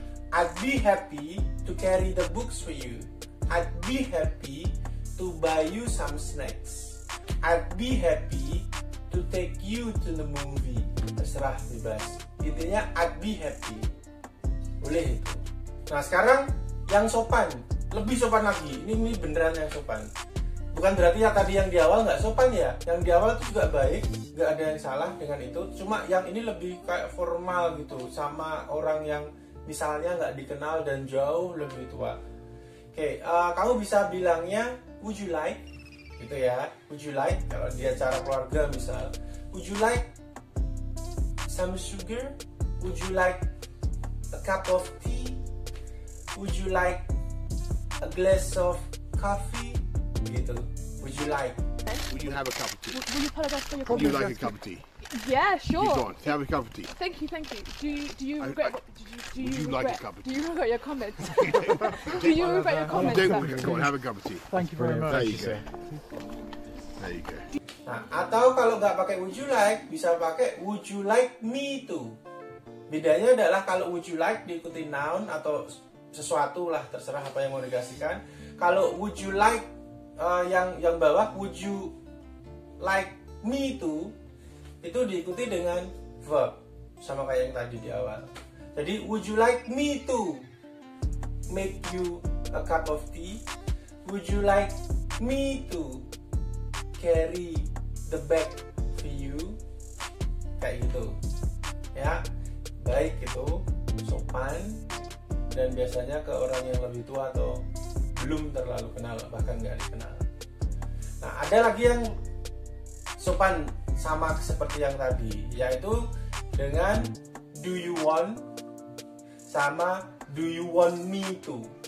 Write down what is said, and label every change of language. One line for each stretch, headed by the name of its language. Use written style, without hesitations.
English: I'd be happy to carry the books for you. I'd be happy to buy you some snacks. I'd be happy to take you to the movie.
Indonesian: Terserah, bebas. Intinya,
English: I'd be happy.
Indonesian: Boleh itu. Nah, sekarang yang sopan. Lebih sopan lagi. Ini beneran yang sopan. Bukan berarti yang tadi yang di awal nggak sopan ya. Yang di awal itu juga baik. Nggak ada yang salah dengan itu. Cuma yang ini lebih kayak formal gitu. Sama orang yang misalnya nggak dikenal dan jauh lebih tua. Oke, kamu bisa bilangnya,
English: would you like?
Indonesian: Gitu ya, would you like? Kalau di acara keluarga misal,
English: would you like some sugar? Would you like a cup of tea? Would you like a glass of coffee?
Indonesian: Gitu,
English: would you like? Would you have a cup of tea? Will you apologize for your comments? Would you like a cup of tea? Yeah, sure. He's gone. Have a cup of tea. Thank you. Do you regret? Would you like a cup of tea? Do you regret your comments? Do you regret your comments? Don't worry, go and have a cup of tea. Thank you very much. There you go.
Indonesian: Nah, atau kalau nggak pakai would you like, bisa pakai would you like me to. Bedanya adalah kalau would you like diikuti noun atau sesuatu lah, terserah apa yang mau dikasihkan. Kalau would you like yang bawah, would you like me to, itu diikuti dengan verb, sama kayak yang tadi di awal. Jadi,
English: would you like me to make you a cup of tea? Would you like me to carry the bag for you?
Indonesian: Kayak gitu. Ya, baik itu, sopan, dan biasanya ke orang yang lebih tua atau belum terlalu kenal, bahkan nggak dikenal. Nah, ada lagi yang sopan, sama seperti yang tadi, yaitu dengan do you want sama do you want me to.